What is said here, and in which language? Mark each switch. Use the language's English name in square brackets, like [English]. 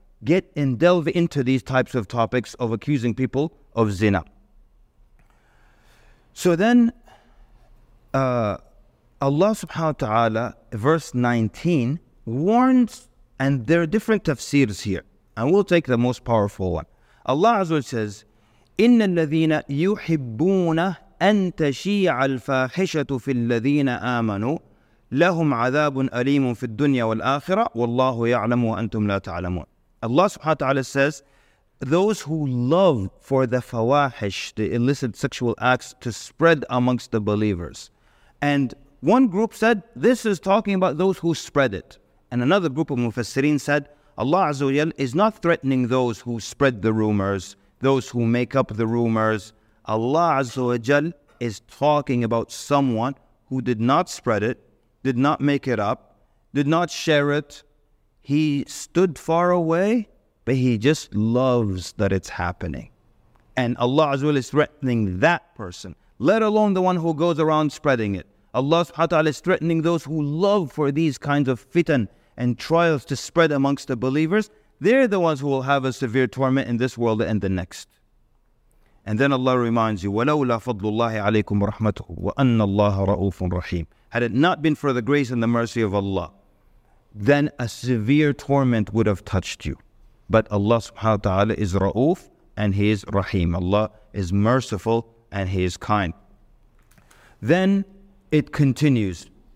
[English] get and delve into these types of topics of accusing people of zina. So then, Allah subhanahu wa ta'ala, verse 19, warns, and there are different tafsirs here, and we'll take the most powerful one. Allah Azza wa Jalla says, [Arabic] إن الذين يحبون أن تشيع الفاحشة في الذين آمنوا لهم عذاب أليم في الدنيا والآخرة والله يعلم وأنتم لا تعلمون. [English] Allah subhanahu wa ta'ala says, those who love for the fawahish, the illicit sexual acts, to spread amongst the believers. And one group said, this is talking about those who spread it. And another group of mufassirin said, Allah Azza wa Jalla is not threatening those who spread the rumors, those who make up the rumors. Allah Azza wa Jalla is talking about someone who did not spread it, did not make it up, did not share it. He stood far away, but he just loves that it's happening. And Allah Azza wa Jalla is threatening that person, let alone the one who goes around spreading it. Allah Subhanahu wa Ta'ala is threatening those who love for these kinds of fitan and trials to spread amongst the believers. They're the ones who will have a severe torment in this world and the next. And then Allah reminds you, [Arabic] وَلَوْلَا فَضْلُ اللَّهِ عَلَيْكُمْ رَحْمَتُهُ وَأَنَّ اللَّهَ رَؤُوفٌ رَحِيمٌ. [English] Had it not been for the grace and the mercy of Allah, then a severe torment would have touched you. But Allah subhanahu wa ta'ala is Ra'uf and He is Rahim. Allah is merciful and He is kind. Then it continues.